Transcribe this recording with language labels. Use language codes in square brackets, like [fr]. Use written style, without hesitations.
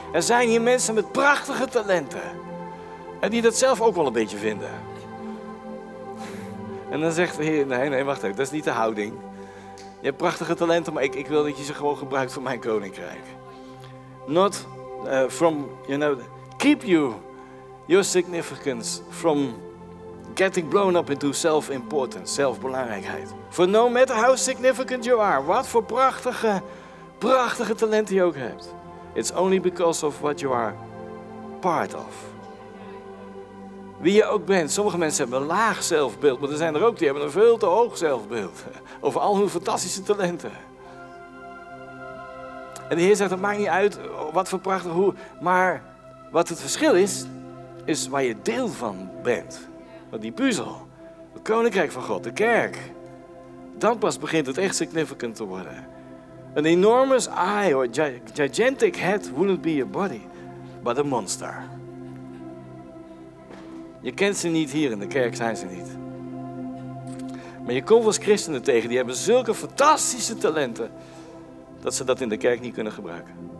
[nl] Er zijn hier mensen met prachtige talenten. En die dat zelf ook wel een beetje vinden. En dan zegt de Heer, nee, wacht even, dat is niet de houding. Je hebt prachtige talenten, maar ik wil dat je ze gewoon gebruikt voor mijn koninkrijk. [en] Not from, you know, keep you, your significance from getting blown up into self-importance, zelfbelangrijkheid. For no matter how significant you are, [nl] wat voor prachtige talenten je ook hebt. [en] It's only because of what you are part of. [nl] Wie je ook bent. Sommige mensen hebben een laag zelfbeeld, maar er zijn er ook die hebben een veel te hoog zelfbeeld. Over al hun fantastische talenten. En de Heer zegt, het maakt niet uit wat voor prachtig hoe, maar wat het verschil is, is waar je deel van bent. Die puzzel. Het koninkrijk van God, de kerk. Dan pas begint het echt significant te worden. [en] An enormous eye or gigantic head wouldn't be your body, but a monster. [nl] Je kent ze niet hier in de kerk, zijn ze niet. Maar je komt als christenen tegen, die hebben zulke fantastische talenten, dat ze dat in de kerk niet kunnen gebruiken.